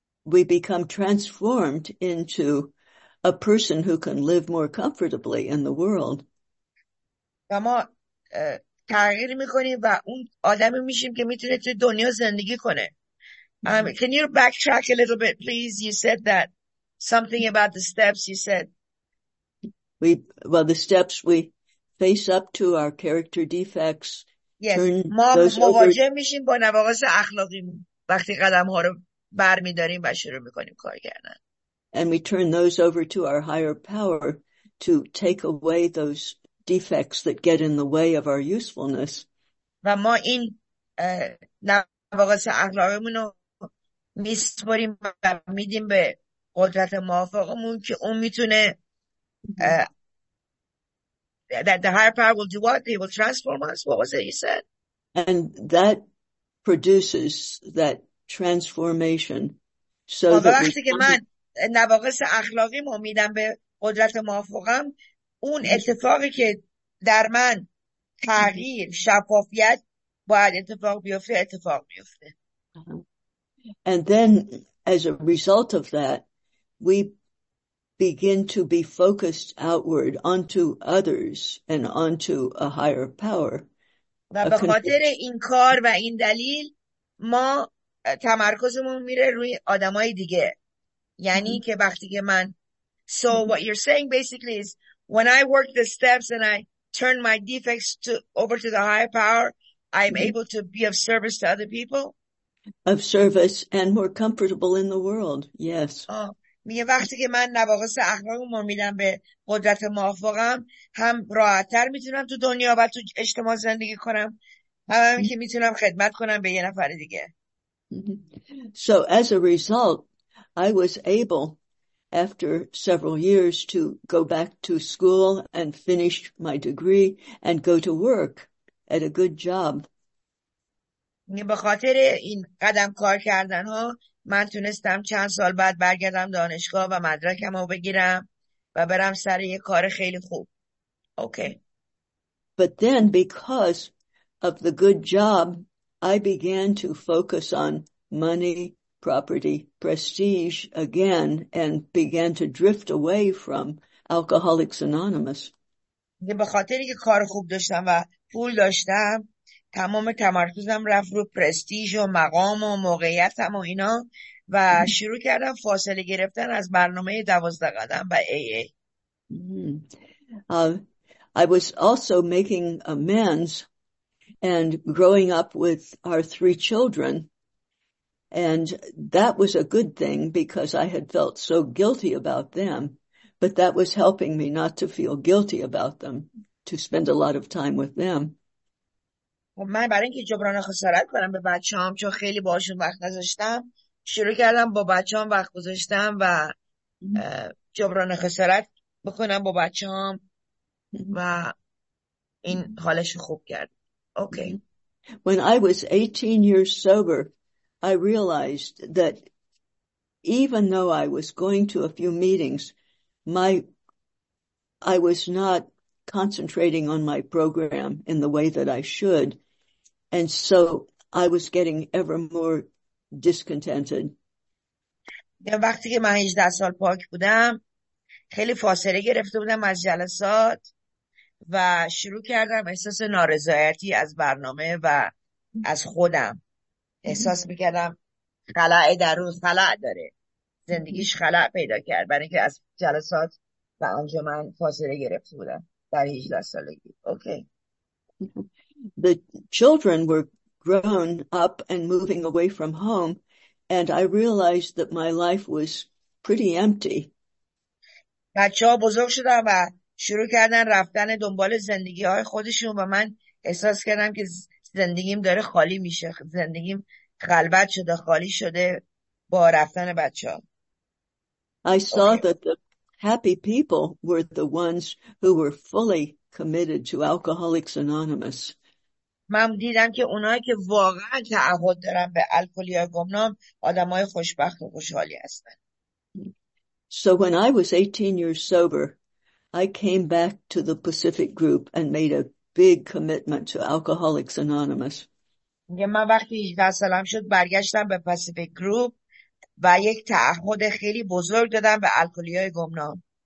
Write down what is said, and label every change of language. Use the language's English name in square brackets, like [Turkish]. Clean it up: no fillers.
[English] we become transformed into a person who can live more comfortably in the world. [Persian] و ما تغییر میکنیم و اون آدمی میشیم که میتونه توی دنیا زندگی کنه. [English] Can you backtrack a little bit, please? You said that something about the steps you said. The steps, we face up to our character defects. Yes. Turn [Persian] ما مواجه میشیم با نواقص اخلاقی وقتی قدم ها رو بر میداریم و شروع میکنیم کار کردن. [English] And we turn those over to our higher power to take away those defects that get in the way of our usefulness. [Persian] و ما این نواقص اخلاقیمون رو میسپاریم و میدیم به قدرت موافقمون که اون میتونه [English] that the higher power will do what? They will transform us. What was it you said? And that produces that transformation so that we [Persian] وقتی که من نواقص اخلاقیمو میدم به قدرت موافقم اون اتفاقی که در من تغییر شفافیت باید اتفاق بیفته اتفاق بیفته. [English] And then, as a result of that, we begin to be focused outward onto others and onto a higher power. [Persian] و به خاطر این کار و این دلیل ما تمرکزمون میره روی آدمای دیگه. یعنی که وقتی که من [English] So what you're saying basically is when I work the steps and I turn my defects to over to the higher power, I'm able to be of service to other people. Of service and more comfortable in the world, yes. [Persian] میگه وقتی که من نواقص اخلاقم رو میدم به قدرت موافقم هم راحت‌تر میتونم تو دنیا و تو اجتماع زندگی کنم هم که میتونم خدمت کنم به یه نفر دیگه. [English] So as a result, I was able after several years to go back to school and finish my degree and go to work at a good job. [Persian] به خاطر این قدم کار کردن ها من تونستم چند سال بعد برگردم دانشگاه و مدرکم رو بگیرم و برم سر یه کار خیلی خوب. [English] Okay. But then because of the good job, I began to focus on money, property, prestige again and began to drift away from Alcoholics Anonymous. [Persian] به خاطری که کار خوب داشتم و پول داشتم تمام تمرکزم رفت رو پرستیژ و مقام و موقعیتم و اینا و شروع کردم فاصله گرفتن از برنامه 12 قدم و AA. [English] I was also making amends and growing up with our three children, and that was a good thing because I had felt so guilty about them, but that was helping me not to feel guilty about them, to spend a lot of time with them. [Persian] من برای اینکه جبران خسارت کنم به بچه هم چون خیلی باشون وقت نذاشتم شروع کردم با بچه هم وقت گذاشتم و جبران خسارت بکنم با بچه هم و این حالش خوب کرد. [English] Okay. When I was 18 years sober, I realized that even though I was going to a few meetings, I was not concentrating on my program in the way that I should. And so I was getting ever more discontented. [Persian] وقتی که من 18 سال پاک بودم خیلی فاصله گرفته بودم از جلسات و شروع کردم احساس نارضایتی از برنامه و از خودم احساس میکردم خلأ در روز خلأ داره زندگیش خلأ پیدا کرد برای اینکه از جلسات و انجمن فاصله گرفته بودم در 18 سالگی. اوکی. [English] The children were grown up and moving away from home, and I realized that my life was pretty empty. [Persian] بچه ها بزرگ شدن و شروع کردن رفتن دنبال زندگی های خودشون و من احساس کردم که زندگیم داره خالی میشه، زندگیم خلوت شده، خالی شده با رفتن بچه ها. [English] I saw that the happy people were the ones who were fully committed to Alcoholics Anonymous. [Persian] من دیدم که اونایی که واقعا تعهد دارن به الکلی های گمنام آدم های خوشبخت و خوشحالی هستن. [English] So when I was 18 years sober, I came back to the Pacific Group and made a big commitment to Alcoholics Anonymous. [Persian] میگه من وقتی 18 سالم شد برگشتم به پاسیفیک گروپ و یک تعهد خیلی بزرگ دادم به الکلی های گمنام.